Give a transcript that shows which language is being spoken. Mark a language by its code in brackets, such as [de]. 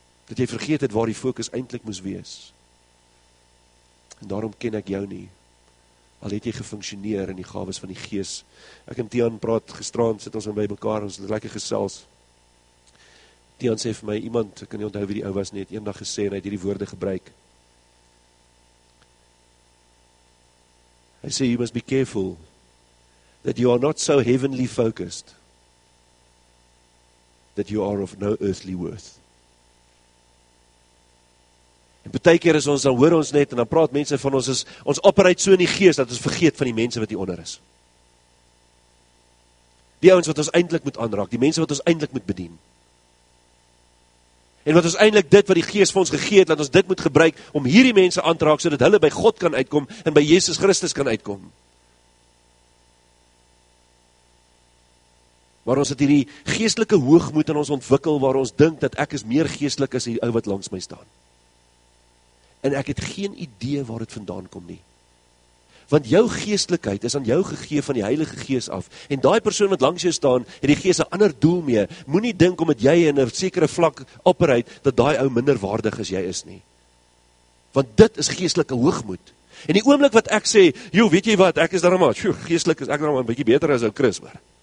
[af] Dat jy vergeet het waar die fokus eintlik moes wees. En daarom ken ek jou nie, al het jy gefunksioneer in die gawes van die Gees. Ek en Tian praat gisteraand, sit ons by mekaar, ons het lekker gesels. Tian sê vir my, iemand, ek kan nie onthou wie die ou was nie, het eendag gesê en hy het hierdie woorde gebruik. Hy sê, [en] you must be careful that you are not so heavenly focused that you are of no earthly worth. [af] En baie keer is ons, dan hoor ons net, en dan praat mense van ons, is, ons operate so in die Gees, dat ons vergeet van die mense wat hieronder is. Die ouens wat ons eintlik moet aanraak, die mense wat ons eintlik moet bedien. En wat ons eintlik dit, wat die Gees vir ons gegee het, dat ons dit moet gebruik, om hierdie mense aan te raak, so dat hulle by God kan uitkom, en by Jesus Christus kan uitkom. Waar ons het hierdie geestelike hoogmoed in ons ontwikkel, waar ons dink dat ek is meer geestelik as die ou wat langs my staan. En ek het geen idee waar dit vandaan kom nie. Want jou geestelikheid is aan jou gegee van die Heilige Gees af. En daai persoon wat langs jou staan, het die Gees 'n ander doel mee. Moenie dink omdat jy in 'n sekere vlak operate, dat daai ou minder waardig as jy is nie. Want dit is geestelike hoogmoed. En die oomblik wat ek sê, joh, weet jy wat, ek is daarom maar, geestelik is ek daarom een bietjie beter as ou Chris, maar.